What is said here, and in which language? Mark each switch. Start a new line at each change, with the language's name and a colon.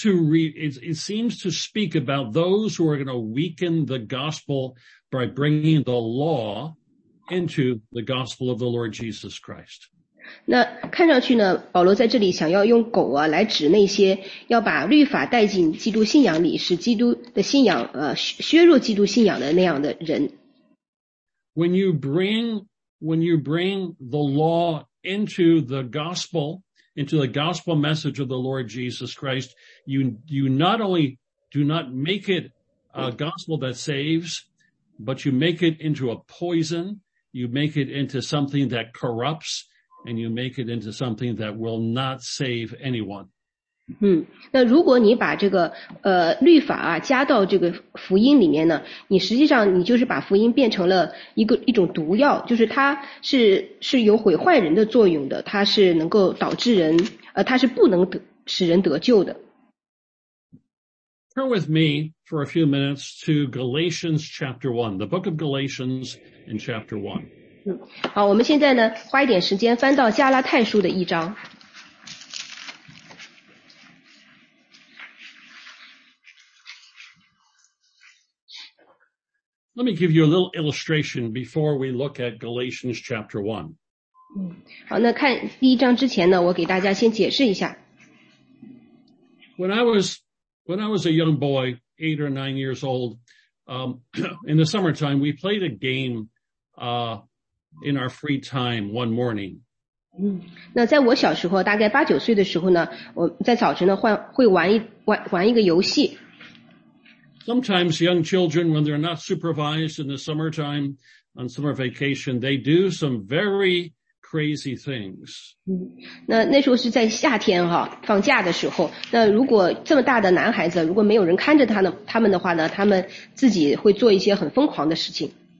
English: It seems to speak about those who are going to weaken the gospel by bringing the law into the gospel of the Lord Jesus Christ.
Chinese: 那看上去呢，保罗在这里想要用狗啊来指那些要把律法带进基督信仰里，使基督的信仰削弱基督信仰的那样的人。
English: When you bring the law into the gospel message of the Lord Jesus Christ, you not only do not make it a gospel that saves, but you make it into a poison, you make it into something that corrupts, and you make it into something that will not save anyone.
Chinese: 那如果你把这个律法啊加到这个福音里面呢，你实际上你就是把福音变成了一种毒药，就是它是有毁坏人的作用的，它是能够导致人它是不能使人得救的。
English: Turn with me for a few minutes to Galatians chapter 1, the book of Galatians in chapter 1.
Chinese: 好，我们现在呢花一点时间翻到加拉太书的一章。
English: Let me give you a little illustration before we look at Galatians chapter 1.
Chinese: 好，那看第一章之前呢，我给大家先解释一下。
English: When I was a young boy, 8 or 9 years old, in the summertime, we played a game, in our free time one morning.
Chinese: 那在我小时候，大概八九岁的时候呢，我在早晨呢会玩一个游戏。
English: Sometimes young children, when they're not supervised in the summertime, on summer vacation, they do some very crazy things.
Chinese: 那时候是在夏天哈，放假的时候。那如果这么大的男孩子，如果没有人看着他们的话呢，他们自己会做一些很疯狂的事情。